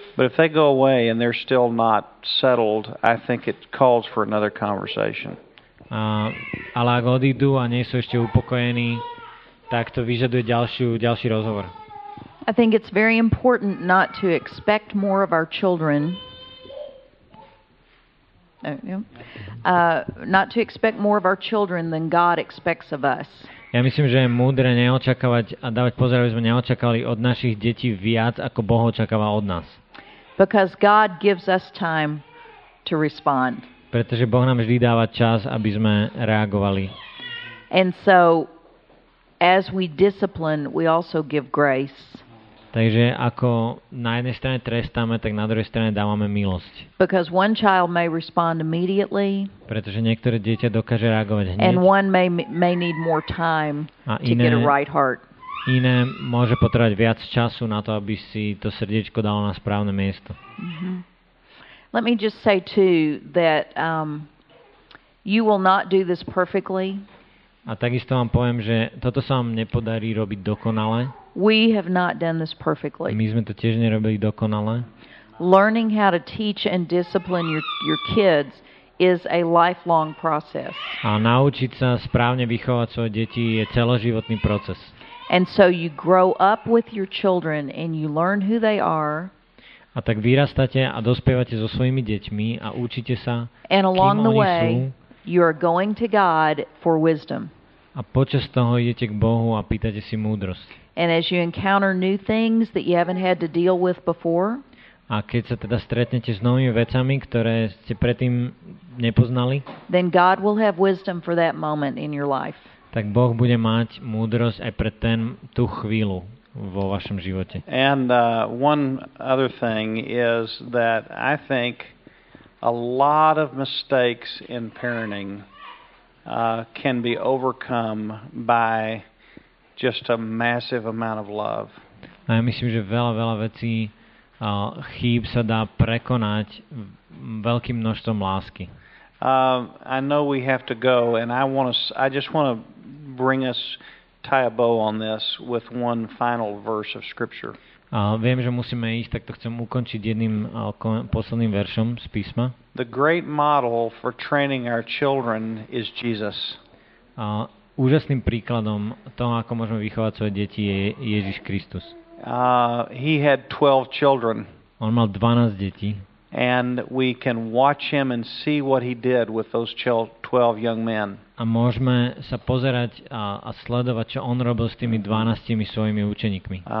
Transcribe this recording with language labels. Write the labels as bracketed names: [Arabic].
[English] But if they go away and they're still not settled, I think it calls for another conversation. [Slovak] Ale ak odídu a nie sú ešte upokojení, tak to vyžaduje ďalší rozhovor. [English] I think it's very important not to expect more of our children. Not to expect more of our children than God expects of us. [Slovak] Ja myslím, že je múdre neočakávať a dávať pozor, aby sme neočakali od našich detí viac, ako Boh očakáva od nás. [English] Because God gives us time to respond. [Slovak] Pretože Boh nám vždy dáva čas, aby sme reagovali. [English] And so as we discipline, we also give grace. [Slovak] Takže ako na jednej strane trestáme, tak na druhej strane dávame milosť. [English] Because one child may respond immediately. [Slovak] Pretože niektoré dieťa dokáže reagovať hneď. [English] And one may need more time to get a right heart. [Slovak] Iné môže potrebať viac času na to, aby si to srdiečko dalo na správne miesto. Mm-hmm. [English] Let me just say too that you will not do this perfectly. [Slovak] A takisto vám poviem, že toto sa vám nepodarí robiť dokonale. [English] We have not done this perfectly. [Slovak] My sme to tiež nerobili dokonale. [English] Learning how to teach and discipline your kids is a lifelong process. [Slovak] A naučiť sa správne vychovať svoje deti je celoživotný proces. [English] And so you grow up with your children and you learn who they are. [Slovak] A tak vyrastáte a dospievate so svojimi deťmi a učíte sa, [English] and along [Slovak] kým [English] the [Slovak] oni [English] way, [Slovak] sú. [English] You are going to God for wisdom. [Slovak] A počas toho idete k Bohu a pýtate si múdrosť. [English] And as you encounter new things that you haven't had to deal with before, [Slovak] a keď sa teda stretnete s novými vecami, ktoré ste predtým nepoznali, [English] then God will have wisdom for that moment in your life. [Slovak] Tak Boh bude mať múdrosť aj pre tú chvíľu vo vašom živote. [English] And one other thing is that I think a lot of mistakes in parenting can be overcome by just a massive amount of love. [Slovak] A ja myslím, že veľa vecí chýb sa dá prekonať veľkým množstvom lásky. [English] I know we have to go, and I just want to bring us, tie a bow on this with one final verse of scripture. [Slovak] Viem, že musíme ísť, tak to chcem ukončiť jedným posledným veršom z písma. [English] The great model for training our children is Jesus. [Slovak] Úžasným príkladom toho, ako môžeme vychovať svoje deti, je Ježiš Kristus. [English] He had 12 children. [Slovak] On mal 12 detí. [English] And we can watch him and see what he did with those 12 young men. [Slovak] A môžeme sa pozerať a sledovať, čo on robil s tými 12 svojimi učeníkmi.